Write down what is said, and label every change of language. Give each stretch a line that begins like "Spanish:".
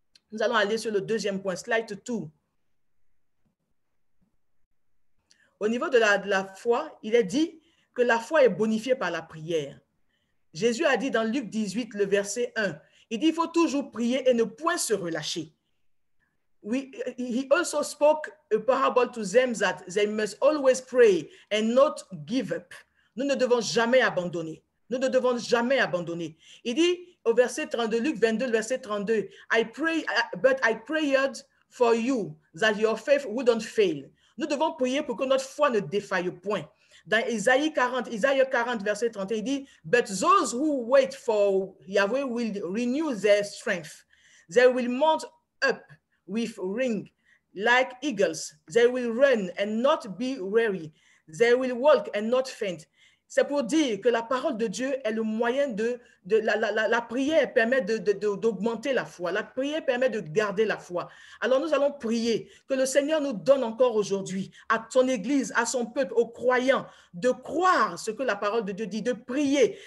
French: Nous allons aller sur le deuxième point, slide 2. Au niveau de la foi, il est dit que la foi est bonifiée par la prière. Jésus a dit dans Luc 18, le verset 1, il dit, il faut toujours prier et ne point se relâcher.
English: Oui, he also spoke a parable to them that they must always pray and not give up.
French: Nous ne devons jamais abandonner. Nous ne devons jamais abandonner. Il dit au verset 32, Luc 22, le verset 32,
English: I prayed for you that your faith wouldn't fail.
French: Nous devons prier pour que notre foi ne défaille point. Dans Isaïe 40, verset 31, il dit,
English: but those who wait for Yahweh will renew their strength. They will mount up with wing like eagles. They will run and not be weary. They will walk and not faint.
French: C'est pour dire que la parole de Dieu est le moyen de la prière permet d'augmenter la foi. La prière permet de garder la foi. Alors nous allons prier que le Seigneur nous donne encore aujourd'hui à son Église, à son peuple, aux croyants, de croire ce que la parole de Dieu dit, de prier.